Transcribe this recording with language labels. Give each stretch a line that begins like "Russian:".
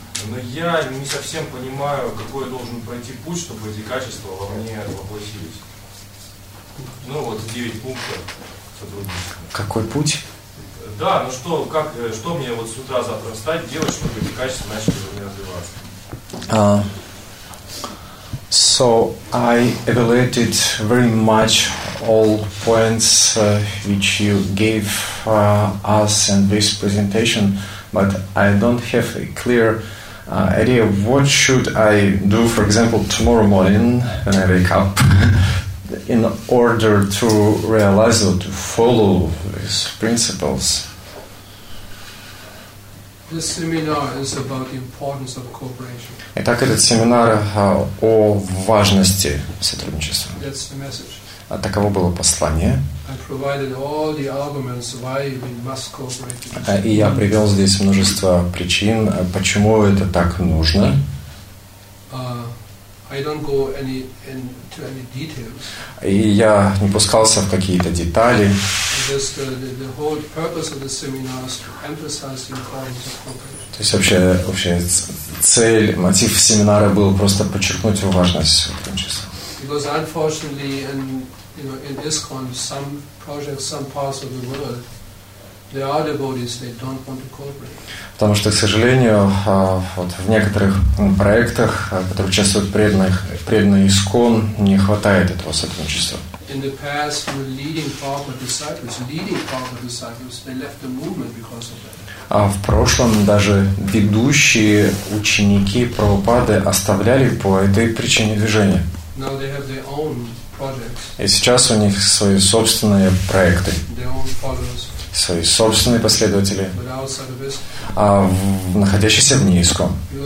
Russian: Но я не совсем понимаю, какой должен пройти путь, чтобы эти качества во мне воплотились. Ну вот, 9 пунктов сотрудничества. Какой путь? Да, ну что, как, что мне вот с утра завтра встать, делать, чтобы эти качества начали во мне развиваться?
English: So I evaluated very much all points which you gave us in this presentation, but I don't have a clear idea of what should I do, for example, tomorrow morning when I wake up in order to realize or to follow these principles. This seminar is about the importance of cooperation.
Russian: Итак, этот семинар о важности сотрудничества.
English: That's the message.
Russian: А таково было послание.
English: I provided all the arguments why we must cooperate.
Russian: И я привел здесь множество причин, почему это так нужно.
English: I don't go into any details.
Russian: И я не пускался в какие-то детали.
English: The whole purpose of the seminar is to emphasize the importance of cooperation.
Russian: То есть вообще цель, мотив семинара был просто подчеркнуть важность сотрудничества.
English: Because unfortunately, in ISKCON, some projects, some parts of the world, there are devotees they don't want to cooperate.
Russian: Потому что, к сожалению, вот в некоторых проектах, в которых участвуют преданные ИСКОН, не хватает этого сотрудничества.
English: in the past were leading proper disciples, leading proper disciples, they left the movement because of that.
Russian: А в прошлом даже ведущие ученики Прабхупады оставляли по этой причине движение.
English: Now they have their own projects.
Russian: И сейчас у них свои собственные проекты.
English: Their own followers.
Russian: Свои собственные последователи, а находящиеся в низком.